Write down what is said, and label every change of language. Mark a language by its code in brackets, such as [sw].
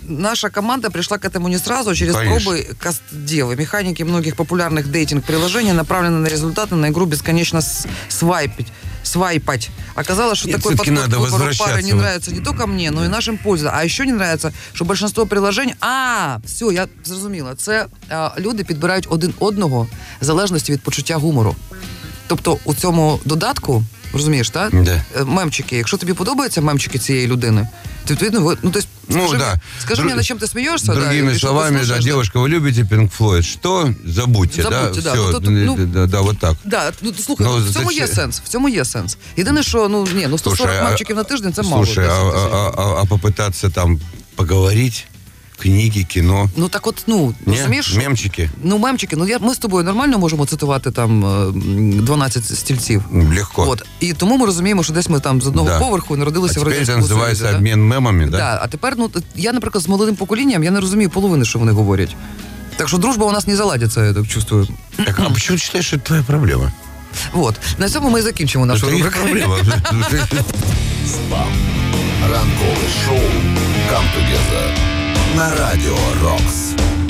[ru] Наша команда пришла к этому не сразу, а через, конечно, пробы каст-девы. Механики многих популярных дейтинг-приложений направлены на результаты, на игру бесконечно свайпать. Оказалось, что такой подход к выбору пары не нравится не только мне, но и нашим пользователям. А еще не нравится, что большинство приложений... [uk] А, все, я зрозуміла. Це люди підбирають один одного в залежності від почуття гумору. Тобто у цьому додатку, розумієш, так? Да. Мемчики. Якщо тобі подобаються мемчики цієї людини, ти відповідно, ну, [ru] то есть, [uk] ну, скажи, да, скажи мені, на чим ти смієшся? [ru] Другими, да, словами, да, девушка, ви любите Pink Floyd? [uk] Що? Забудьте, забудьте, да? Забудьте, да. [ru] Ну, да, да, вот так. [uk] Да, ну, слухай, ну, в цьому є сенс, в цьому є сенс. Єдине, що, ну, ні, ну, 140, [ru] слушай, [uk] мемчиків на тиждень, це мало. [ru] Слушай, а попытаться там поговорить? [uk] Книги, кіно. Ну так от, ну, розумієш? Ні, мемчики. Ну, мемчики. Ну, ми з тобою нормально можемо цитувати там 12 стільців. Легко. От. І тому ми розуміємо, що десь ми там з одного, да, поверху народилися в радянському Союзі. А тепер це називається обмін мемами, да? Да. А тепер, ну, я, наприклад, з молодим поколінням, я не розумію половини, що вони говорять. [ru] Так що дружба у нас не заладиться, я так чувствую. [uk] Так, а чому ти вважаєш, що це твоя проблема? От. На цьому ми і закінчимо нашу рубрику. Це проблема. Спам. Ранкове шоу. Come together. На радіо Рокс.